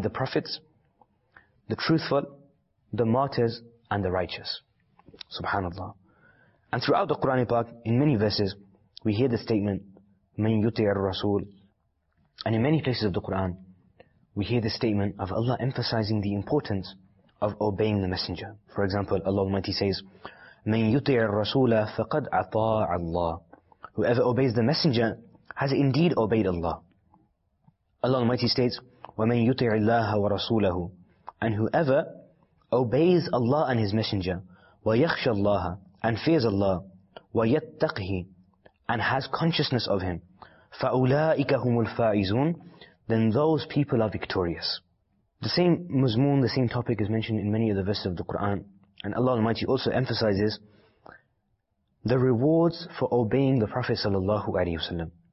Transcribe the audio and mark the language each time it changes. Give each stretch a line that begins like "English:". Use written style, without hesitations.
English: the prophets, the truthful, the martyrs, and the righteous. Subhanallah. And throughout the Quran Park, in many verses, we hear the statement,
Arabic: مَنْ يُطِعَ الرَّسُولِ.
English: And in many places of the Quran, we hear the statement of Allah emphasizing the importance of obeying the Messenger. For example, Allah Almighty says,
Arabic: مَنْ يُطِعَ الرَّسُولَ فَقَدْ أَطَاعَ اللَّهِ.
English: Whoever obeys the Messenger has indeed obeyed Allah. Allah Almighty states,
Arabic: وَمَنْ يُطِعِ اللَّهَ وَرَسُولَهُ.
English: And whoever obeys Allah and His Messenger,
Arabic: وَيَخْشَ اللَّهَ,
English: and fears Allah,
Arabic: وَيَتَّقْهِ,
English: and has consciousness of Him,
Arabic: فَأُولَٰئِكَ هُمُ الْفَائِزُونَ,
English: then those people are victorious. The same mazmoon, the same topic is mentioned in many of the verses of the Quran, and Allah Almighty also emphasizes the rewards for obeying the Prophet sallallahu alaihi wasallam.